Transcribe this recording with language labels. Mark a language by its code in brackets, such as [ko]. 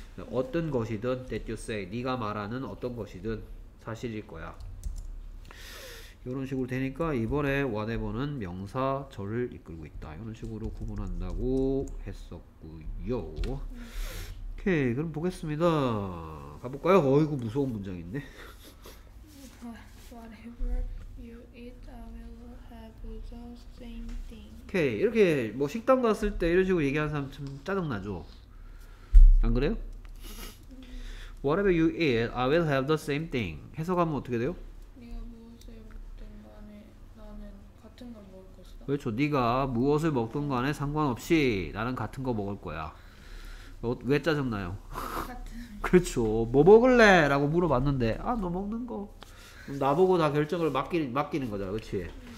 [ko] 어떤 것이든 [en] that you say, [ko] 네가 말하는 어떤 것이든 사실일 거야. 이런 식으로 되니까 이번에 whatever는 명사 절을 이끌고 있다 이런 식으로 구분한다고 했었고요. 오케이. 그럼 보겠습니다. 가볼까요? 어이구 무서운 문장 있네. [en] Whatever you eat, I will have the same thing. [ko] 오케이. 이렇게 뭐 식당 갔을 때 이런 식으로 얘기하는 사람 참 짜증나죠? 안 그래요? [en] Whatever you eat, I will have the same thing. [ko] 해석하면 어떻게 돼요? 네가 무엇을 먹든 간에 나는 같은 걸 먹을 것이다. 그렇죠. 네가 무엇을 먹든 간에 상관없이 나는 같은 거 먹을 거야. 왜 짜증나요? 같은. 그렇죠. 뭐 먹을래? 라고 물어봤는데 아, 너 먹는 거. 나보고 다 결정을 맡기는 거잖아, 그치?